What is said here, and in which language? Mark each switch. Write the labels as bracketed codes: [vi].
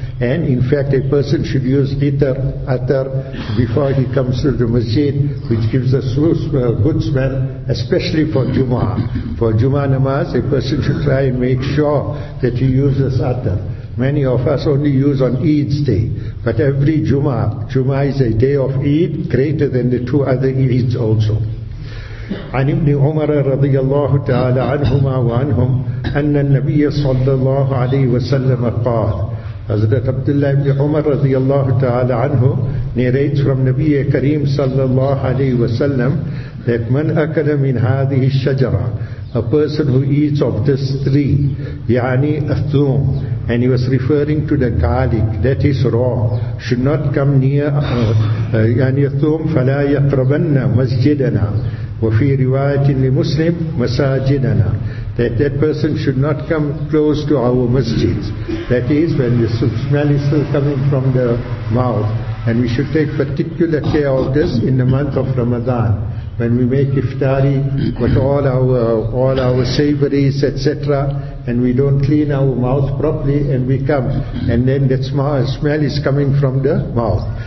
[en] And in fact, a person should use itar, atar, before he comes to the masjid, which gives a good smell, especially for Jummah. For Jummah namaz, a person should try and make sure that he uses atar. Many of us only use on Eid's day, but every Jummah is a day of Eid greater than the two other Eids also. [ar] عن ابن عمر رضي الله تعالى عنهما وعنهم أن النبي صلى الله عليه وسلم قال. [en] حضرت عبد الله بن عمر رضي الله تعالى عنه narrates from نبي كريم صلى الله عليه وسلم that [ar] من أكل من هذه الشجرة, [en] a person who eats of this tree, [ar] يعني الثوم, [en] and he was referring to the garlic that is raw, should not come near [ar] يعني الثوم فلا يقربن مسجدنا. وفي رواية لمسلم مساجدنا, [en] that person should not come close to our masjids. That is, when the smell is still coming from the mouth, and we should take particular care of this in the month of Ramadan, when we make iftari with all our savories, etc., and we don't clean our mouth properly, and we come, and then that smell is coming from the mouth.